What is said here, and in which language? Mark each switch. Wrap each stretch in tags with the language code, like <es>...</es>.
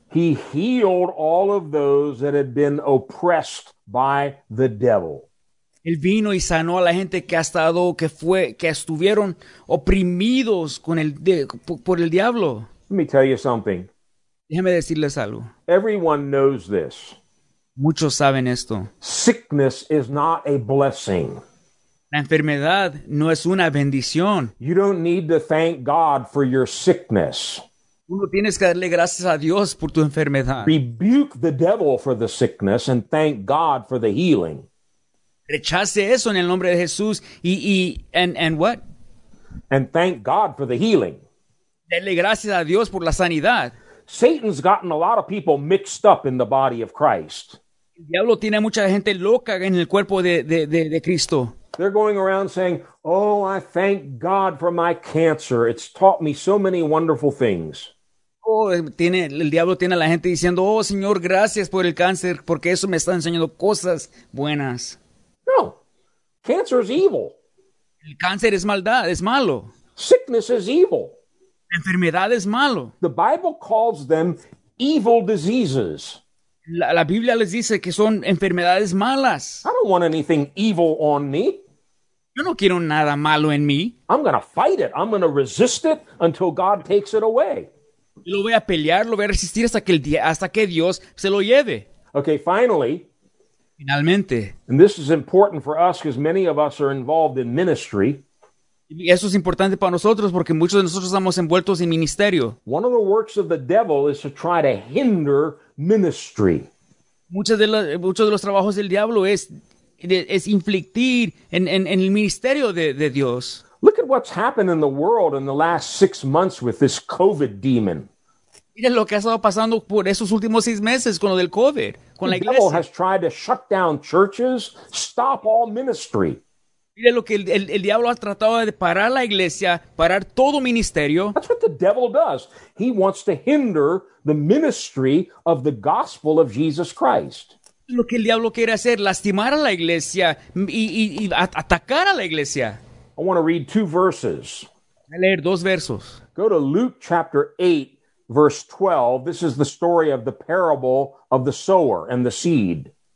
<en>He healed all of those that had been oppressed by the devil.</en> <es>Él vino y sanó a la gente que ha estado, que fue, que estuvieron oprimidos con el, de, por el diablo.</es> <en>Let me tell you something.</en> <es>Déjeme decirles algo.</es> <en>Everyone knows this.</en> <es>Muchos saben esto.</es> <en>Sickness is not a blessing.</en> <es>La enfermedad no es una bendición.</es> <en>You don't need to thank God for your sickness.</en> <es>Uno tienes que darle gracias a Dios por tu enfermedad.</es> <en>Rebuke the devil for the sickness and thank God for the healing.</en> <es>Rechace eso en el nombre de Jesús y</es> <en>what? And thank God for the healing.</en> <es>Dele gracias a Dios por la sanidad.</es> <en>Satan's gotten a lot of people mixed up in the body of Christ.</en> <es>El diablo tiene mucha gente loca en el cuerpo de Cristo.</es> <en>They're going around saying, oh, I thank God for my cancer. It's taught me so many wonderful things.</en> <es>Oh, tiene, el diablo tiene a la gente diciendo, oh, Señor, gracias por el cáncer, porque eso me está enseñando cosas buenas.</es> <en>No, cancer is evil.</en> <es>El cáncer es maldad, es malo.</es> <en>Sickness is evil.</en> <es>La enfermedad es malo.</es> <en>The Bible calls them evil diseases.</en> <es>La Biblia les dice que son enfermedades malas.</es> <en>I don't want anything evil on me.</en> <es>Yo no quiero nada malo en mí.</es> <en>I'm going to fight it. I'm going to resist it until God takes it away.</en> <es>Yo lo voy a pelear, lo voy a resistir hasta que Dios se lo lleve.</es> <en>Okay, finally.</en> <es>Finalmente.</es> <en>And this is important for us because many of us are involved in ministry.</en> <es>Eso es importante para nosotros porque muchos de nosotros estamos envueltos en ministerio.</es> <en>One of the works of the devil is to try to hinder ministry.</en> <es>Muchos de los trabajos del diablo es infligir en el ministerio de Dios.</es> <en>Look at what's happened in the world in the last 6 months with this COVID demon.</en> <es>Mira lo que ha estado pasando por esos últimos 6 meses con lo del COVID, con</es> <en>the</en> <es>la iglesia.</es> <en>The devil has tried to shut down churches, stop all ministry.</en> <es>Mira lo que el diablo ha tratado de parar la iglesia, parar todo ministerio.</es> <en>That's what the devil does. He wants to hinder the ministry of the gospel of Jesus Christ.</en> <es>Lo que el diablo quiere hacer, lastimar a la iglesia y atacar a la iglesia.</es> <en>I want to read two verses.</en> <es>Voy a leer dos versos.</es> <en>Go to Luke chapter 8, verse 12. This is the story of the parable of the sower and the seed.</en>